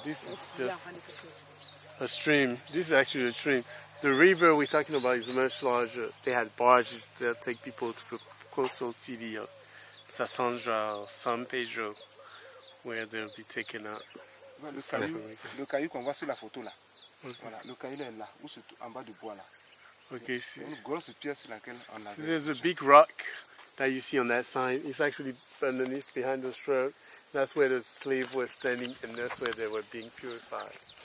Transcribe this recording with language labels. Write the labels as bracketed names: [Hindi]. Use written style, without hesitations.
[English] This is just a stream. This is actually a stream. The river we're talking about is much larger. They had barges that take people to the coastal city of Sassandra or San Pedro, where they'll be taken out. Look, can you convert to the photo? [French] Voilà, le caillou est là, où se en bas du bois là. Okay, c'est une grosse pierre sur laquelle on a. [English] So there's a big rock that you see on that sign. It's actually underneath behind the shrub. That's where the slave was standing, and that's where they were being purified.